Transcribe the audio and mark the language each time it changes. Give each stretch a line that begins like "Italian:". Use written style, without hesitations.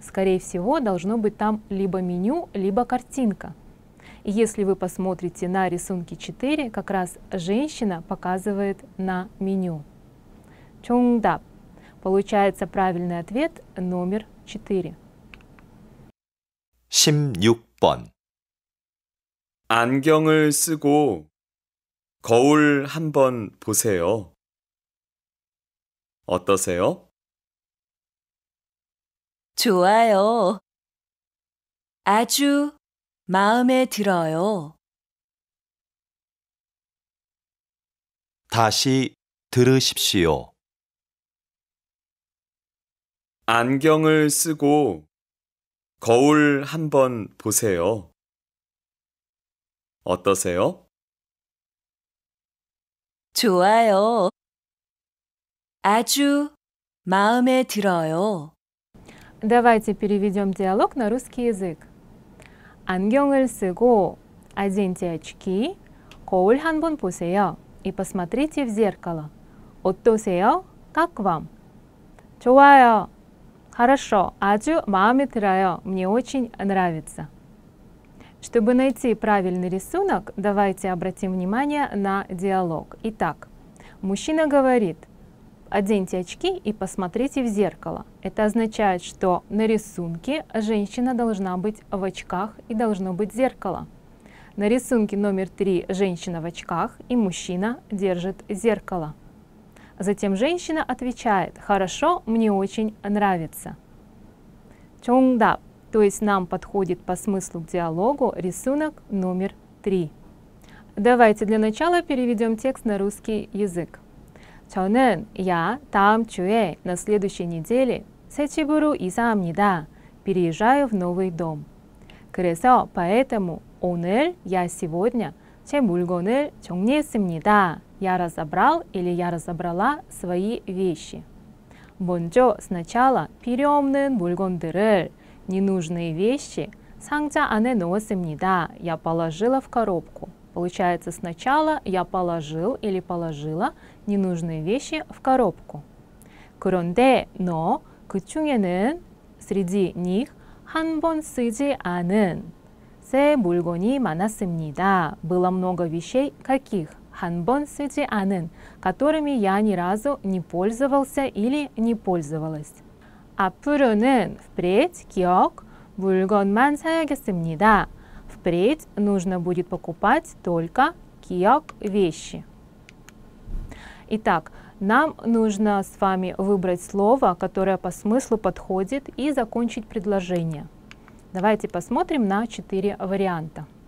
Russian: Скорее всего, должно быть там либо меню, либо картинка. Если вы посмотрите на рисунке 4, как раз женщина показывает на меню. Чондап. Получается правильный ответ номер 4.
Korean: 16번. 안경을 쓰고 거울 한번 보세요. 어떠세요? 좋아요. 아주 마음에 들어요. 다시 들으십시오. 안경을 쓰고 거울 한번 보세요. 어떠세요? 좋아요. 아주 마음에 들어요.
Russian: Давайте переведем диалог на русский язык.
Korean: 안경을 쓰고
Russian: оденьте очки,
Korean: 거울 한번 보세요.
Russian: И посмотрите в зеркало.
Korean: 어떠세요?
Russian: Как вам?
Korean: 좋아요.
Russian: Хорошо.
Korean: 아주 마음에 들어요.
Russian: Мне очень нравится. Чтобы найти правильный рисунок, давайте обратим внимание на диалог. Итак, мужчина говорит, оденьте очки и посмотрите в зеркало. Это означает, что на рисунке женщина должна быть в очках и должно быть зеркало. На рисунке номер 3 женщина в очках и мужчина держит зеркало. Затем женщина отвечает, хорошо, мне очень нравится. Чондап. То есть нам подходит по смыслу к диалогу рисунок номер 3. Давайте для начала переведем текст на русский язык.
Korean: 저는
Russian: я
Korean: 다음 주에
Russian: на следующей неделе
Korean: 새 집으로 이사합니다.
Russian: Переезжаю в новый дом.
Korean: 그래서
Russian: поэтому
Korean: 오늘
Russian: я сегодня
Korean: 제 물건을 정리했습니다.
Russian: Я разобрал или я разобрала свои вещи.
Korean: 먼저
Russian: сначала
Korean: 필요 없는 물건들을
Russian: ненужные вещи.
Korean: 상자 안에 넣었습니다.
Russian: Я положила в коробку. Получается, сначала я положил или положила ненужные вещи в коробку.
Korean: 그런데,
Russian: но,
Korean: 그 중에는,
Russian: среди них,
Korean: 한 번 쓰지 않은, 새 물건이 많았습니다.
Russian: Было много вещей, каких?
Korean: 한 번 쓰지 않은,
Russian: которыми я ни разу не пользовался или не пользовалась.
Korean: 앞으로는
Russian: впредь,
Korean: 기억, 물건만 사야겠습니다.
Russian: Впредь нужно будет покупать только 기억, вещи. Итак, нам нужно с вами выбрать слово, которое по смыслу подходит, и закончить предложение. Давайте посмотрим на 4 варианта.